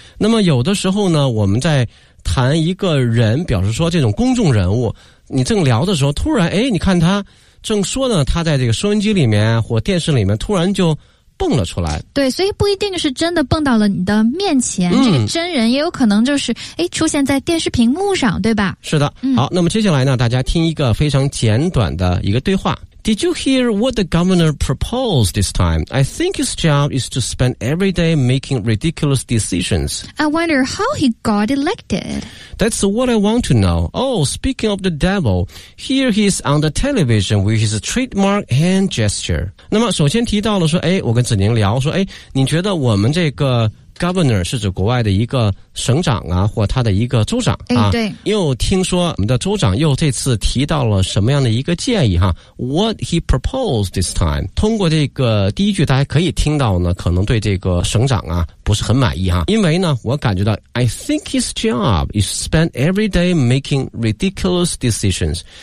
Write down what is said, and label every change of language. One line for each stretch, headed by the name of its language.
Chinese: 那么有的时候呢我们在谈一个人，表示说这种公众人物，你正聊的时候突然哎，你看他正说呢，他在这个收音机里面或电视里面突然就蹦了出来。对，所以不一定是真的蹦到了你的面前、嗯、这个真人也有可能就是诶出现在电视屏幕上，对吧？是的、嗯、好，那么接下来呢大家听一个非常简短的一个对话。
English: Did you hear what the governor proposed this time? I think his job is to spend every day making ridiculous decisions. I wonder how he got elected. That's what I want to know. Oh, speaking of the devil, here he is on the television with his trademark hand gesture.
Chinese: 那么首先提到了说诶我跟子宁聊说诶你觉得我们这个 governor 是指国外的一个省长啊或他的一个州长啊，对，又听说我们的州长又这次提到了什么样的一个建议哈 ？
English: What he proposed this time？
Chinese: 通过这个第一句，大家可以听到呢，可能对这个省长啊不是很满意哈，因为呢，我感觉到
English: I think his job is spend every day making ridiculous decisions。